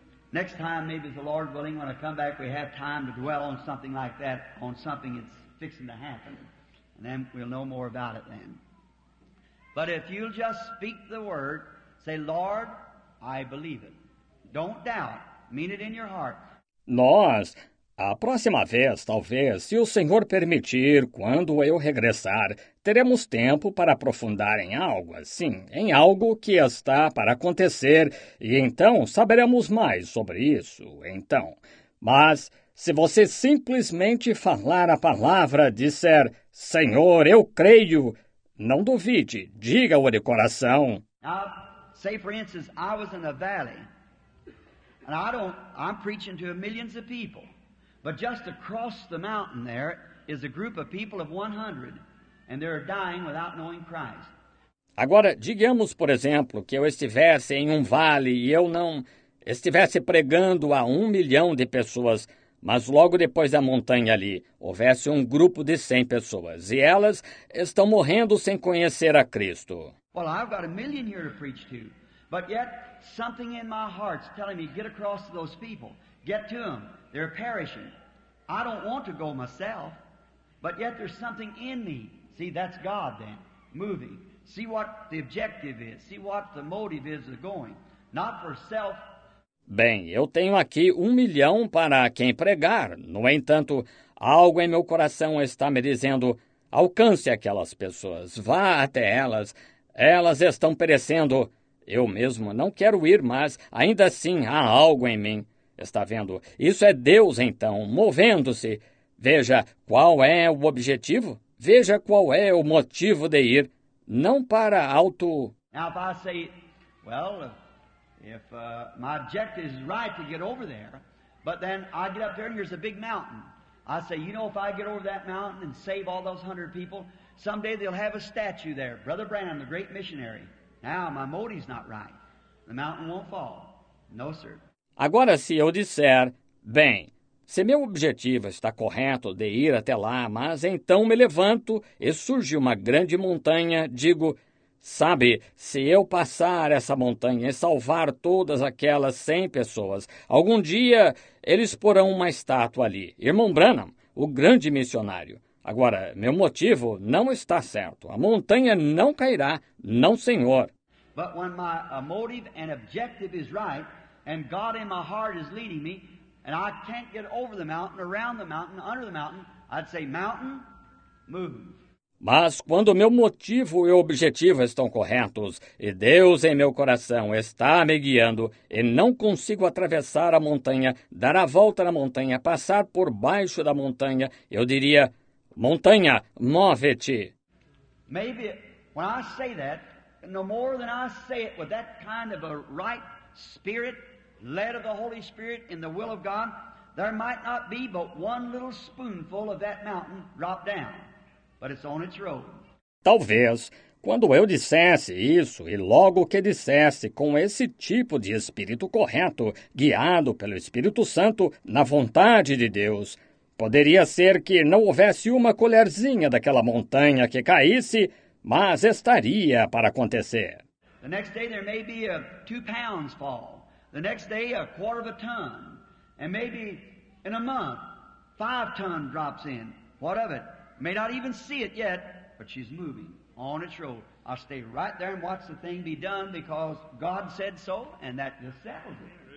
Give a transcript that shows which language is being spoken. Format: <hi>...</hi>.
<en>Next time, maybe the Lord willing, when I come back, we have time to dwell on something like that, on something that's fixing to happen. And then we'll know more about it then. But if you'll just speak the word, say, Lord, I believe it. Don't doubt. Mean it in your heart.</en> <pt>Nós, a próxima vez, talvez, se o Senhor permitir, quando eu regressar, teremos tempo para aprofundar em algo assim, em algo que está para acontecer, e então saberemos mais sobre isso, então. Mas se você simplesmente falar a palavra, disser, Senhor, eu creio... Não duvide, diga-o de coração.</pt> <en>Now, say, for instance, I was in a valley, and I'm preaching to millions of people, but just across the mountain there is a group of people of 100, and they're dying without knowing Christ.</en> <pt>Agora, digamos, por exemplo, que eu estivesse em um vale e eu não estivesse pregando a 1 milhão de pessoas, mas logo depois da montanha ali, houvesse um grupo de 100 pessoas, e elas estão morrendo sem conhecer a Cristo.</pt> <en>Well, I've got a million here to preach to, but yet something in my heart's telling me, get across to those people, get to them, they're perishing. I don't want to go myself, But yet there's something in me. See, that's God then, moving. See what the objective is. See what the motive is of going. Not for self.</en> <pt>Bem, eu tenho aqui 1 milhão para quem pregar. No entanto, algo em meu coração está me dizendo, alcance aquelas pessoas, vá até elas. Elas estão perecendo. Eu mesmo não quero ir, mas ainda assim há algo em mim. Está vendo? Isso é Deus, então, movendo-se. Veja qual é o objetivo. Veja qual é o motivo de ir. Não para auto...</pt> <en>Now, if I say, well, if my objective is right to get over there, but then I get up there and there's a big mountain. I say, you know, if I get over that mountain and save all those 100 people, someday they'll have a statue there. Brother Branham, the great missionary. Now, my motive's not right. The mountain won't fall. No, sir.</en> <pt>Agora, se eu disser, bem, se meu objetivo está correto de ir até lá, mas então me levanto e surge uma grande montanha, digo, sabe, se eu passar essa montanha e salvar todas aquelas 100 pessoas, algum dia eles porão uma estátua ali. Irmão Branham, o grande missionário. Agora, meu motivo não está certo. A montanha não cairá, não, senhor.</pt> <en>But when my motive and objective is right, and God in my heart is leading me, and I can't get over the mountain, around the mountain, under the mountain, I'd say, mountain, move.</en> <pt>Mas quando meu motivo e objetivo estão corretos, e Deus em meu coração está me guiando, e não consigo atravessar a montanha, dar a volta na montanha, passar por baixo da montanha, eu diria, montanha, move-te.</pt> <en>Maybe when I say that, no more than I say it with that kind of a right spirit, led of the Holy Spirit in the will of God, there might not be but one little spoonful of that mountain drop down, but it's on its road.</en> <pt>Talvez, quando eu dissesse isso, e logo que dissesse com esse tipo de espírito correto, guiado pelo Espírito Santo, na vontade de Deus, poderia ser que não houvesse uma colherzinha daquela montanha que caísse, mas estaria para acontecer.</pt> <en>The next day there may be a 2 pounds fall. The next day, a quarter of a ton, and maybe in a month, 5 ton drops in. What of it? May not even see it yet, but she's moving on its road. I'll stay right there and watch the thing be done because God said so, and that just settles it.</en>